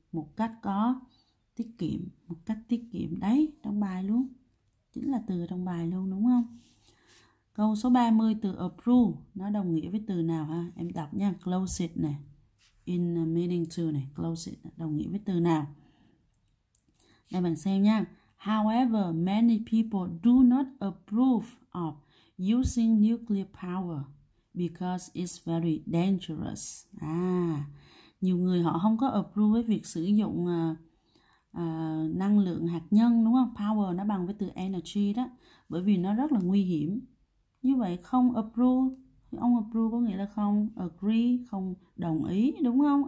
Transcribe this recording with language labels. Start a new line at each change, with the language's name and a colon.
Vietnamese: Một cách có tiết kiệm, một cách tiết kiệm đấy, trong bài luôn. Chính là từ trong bài luôn, đúng không? Câu số 30, từ approve, nó đồng nghĩa với từ nào ha? Em đọc nha,
English: close it
Vietnamese: này,
English: in a meaning to
Vietnamese: này, close it, đồng nghĩa với từ nào? Đây bạn xem nha.
English: However, many people do not approve of using nuclear power because it's very dangerous.
Vietnamese: À, nhiều người họ không có approve với việc sử dụng năng lượng hạt nhân, đúng không? Power nó bằng với từ energy đó, bởi vì nó rất là nguy hiểm. Như vậy không approve, ông approve có nghĩa là không agree, không đồng ý, đúng không?